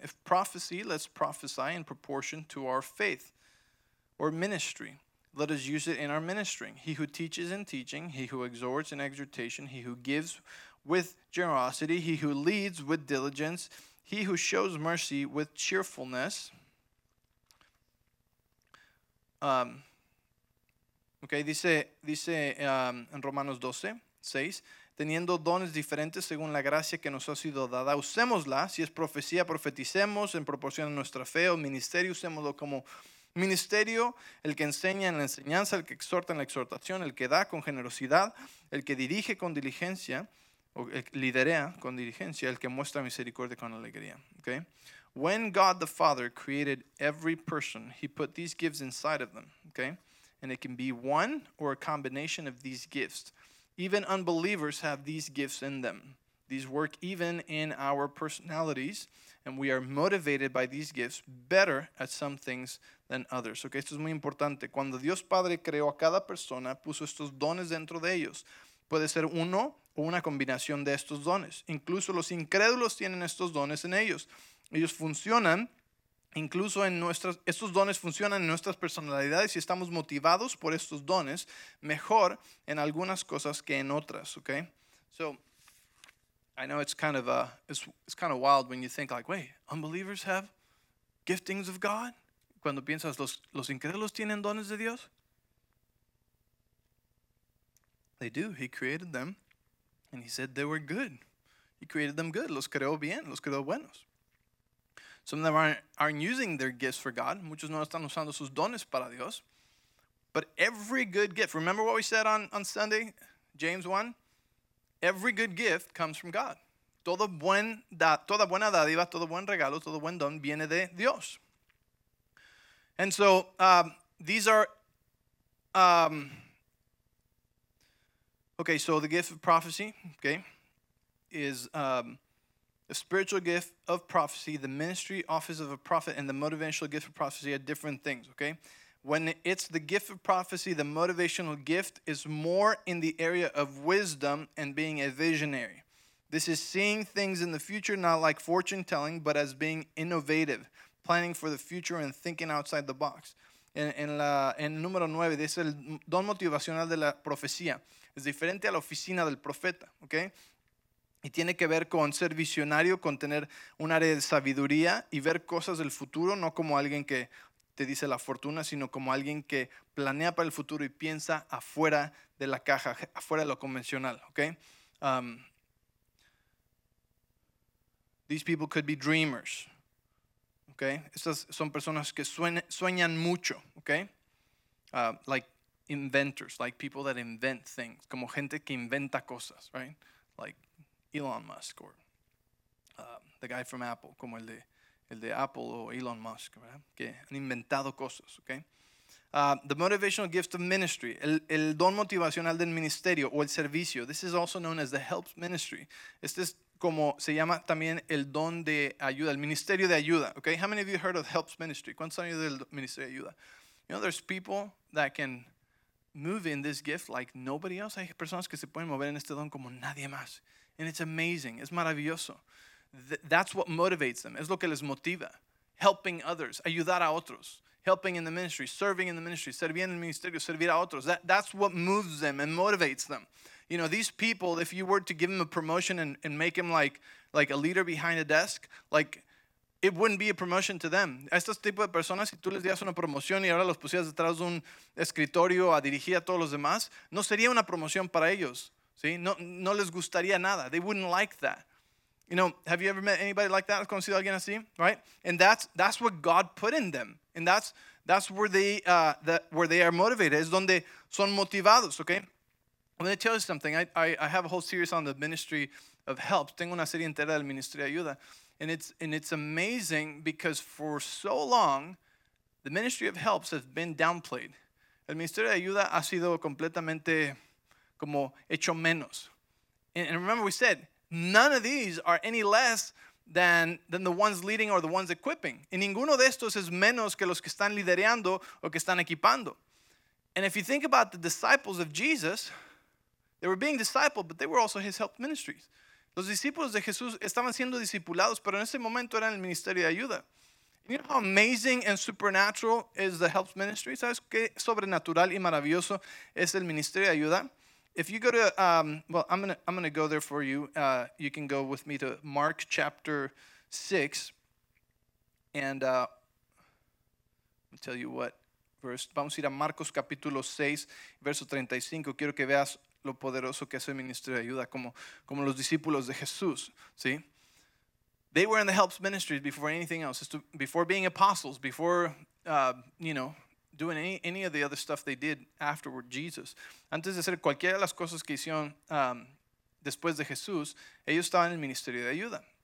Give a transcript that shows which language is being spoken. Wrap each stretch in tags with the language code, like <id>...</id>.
<en>If prophecy, let's prophesy in proportion to our faith or ministry. Let us use it in our ministering. He who teaches in teaching, he who exhorts in exhortation, he who gives with generosity, he who leads with diligence, he who shows mercy with cheerfulness.</en> <es>Okay, dice en Romanos 12, 6, teniendo dones diferentes según la gracia que nos ha sido dada, usémosla. Si es profecía, profeticemos en proporción a nuestra fe, o ministerio, usémoslo como ministerio, el que enseña en la enseñanza, el que exhorta en la exhortación, el que da con generosidad, el que dirige con diligencia, o liderea con diligencia, el que muestra misericordia con alegría. Okay?</es> <en>When God the Father created every person, he put these gifts inside of them, okay? And it can be one or a combination of these gifts. Even unbelievers have these gifts in them. These work even in our personalities, and we are motivated by these gifts better at some things than others. Okay,</en> <es>esto es muy importante. Cuando Dios Padre creó a cada persona, puso estos dones dentro de ellos. Puede ser uno o una combinación de estos dones. Incluso los incrédulos tienen estos dones en ellos. Ellos funcionan. Incluso en nuestras, estos dones funcionan en nuestras personalidades y estamos motivados por estos dones mejor en algunas cosas que en otras,</es> <en>okay? So, I know it's kind of wild when you think like, wait, unbelievers have giftings of God?</en> <es>Cuando piensas, ¿los incrédulos tienen dones de Dios?</es> <en>They do. He created them and he said they were good. He created them good.</en> <es>Los creó bien, los creó buenos.</es> <en>Some of them aren't using their gifts for God.</en> <es>Muchos no están usando sus dones para Dios.</es> <en>But every good gift, remember what we said on Sunday, James 1? Every good gift comes from God.</en> <es>Toda buena dádiva, todo buen regalo, todo buen don viene de Dios.</es> <en>And so these are the gift of prophecy, okay, is... The spiritual gift of prophecy, the ministry office of a prophet, and the motivational gift of prophecy are different things, okay? When it's the gift of prophecy, the motivational gift is more in the area of wisdom and being a visionary. This is seeing things in the future, not like fortune telling, but as being innovative, planning for the future and thinking outside the box.</en> <es>en el número 9 dice el don motivacional de la profecía. Es diferente a la oficina del profeta, ¿ok? Y tiene que ver con ser visionario, con tener un área de sabiduría y ver cosas del futuro, no como alguien que te dice la fortuna, sino como alguien que planea para el futuro y piensa afuera de la caja, afuera de lo convencional, ¿ok?</es> <en>These people could be dreamers,</en> <es>¿ok? Estas son personas que sueñan mucho, ¿ok?</es> <en>Like inventors, like people that invent things,</en> <es>como gente que inventa cosas,</es> <en>right? Like Elon Musk or the guy from Apple,</en> <es>como el de Apple o Elon Musk, ¿verdad? Que han inventado cosas, ¿ok?</es> <en>The motivational gift of ministry,</en> <es>el don motivacional del ministerio o el servicio.</es> <en>This is also known as the helps ministry.</en> <es>Este es como se llama también el don de ayuda, el ministerio de ayuda, ¿ok?</es> <en>How many of you heard of helps ministry?</en> <es>¿Cuántos han oído del ministerio de ayuda?</es> <en>You know, there's people that can move in this gift like nobody else.</en> <es>Hay personas que se pueden mover en este don como nadie más.</es> <en>And it's amazing,</en> <es>es maravilloso.</es> <en>That's what motivates them,</en> <es>es lo que les motiva.</es> <en>Helping others,</en> <es>ayudar a otros.</es> <en>Helping in the ministry, serving in the ministry,</en> <es>servir en el ministerio, servir a otros.</es> <en>That's what moves them and motivates them. You know, these people, if you were to give them a promotion and make them like a leader behind a desk, like, it wouldn't be a promotion to them.</en> <es>A estos tipos de personas, si tú les dieras una promoción y ahora los pusieras detrás de un escritorio a dirigir a todos los demás, no sería una promoción para ellos. ¿Sí? No les gustaría nada.</es> <en>They wouldn't like that. You know, have you ever met anybody like that?</en> <es>¿Has conocido a alguien así?</es> <en>Right? And that's what God put in them. And that's where they are motivated.</en> <es>Es donde son motivados, ¿okay?</es> <en>I'm going to tell you something. I have a whole series on the ministry of help.</en> <es>Tengo una serie entera del ministerio de ayuda.</es> <en>And it's amazing because for so long, the ministry of helps has been downplayed.</en> <es>El ministerio de ayuda ha sido completamente como hecho menos.</es> <en>And remember we said, none of these are any less than the ones leading or the ones equipping.</en> <es>Y ninguno de estos es menos que los que están liderando o que están equipando.</es> <en>And if you think about the disciples of Jesus, they were being discipled, but they were also his help ministries.</en> <es>Los discípulos de Jesús estaban siendo discipulados, pero en ese momento eran el ministerio de ayuda.</es> <en>You know how amazing and supernatural is the help ministry?</en> <es>¿Sabes qué sobrenatural y maravilloso es el ministerio de ayuda?</es> <en>If you go to, I'm gonna go there for you. You can go with me to Mark chapter 6. And I'll tell you what verse.</en> <es>Vamos a ir a Marcos capítulo 6, verso 35. Quiero que veas lo poderoso que es el ministerio de ayuda, como los discípulos de Jesús, ¿sí?</es> <en>They were in the helps ministries before anything else, before being apostles, before, you know, doing any of the other stuff they did afterward, Jesus.</en> <es>Antes de hacer cualquiera de las cosas que hicieron después de Jesús, ellos estaban en el ministerio de ayuda.</es>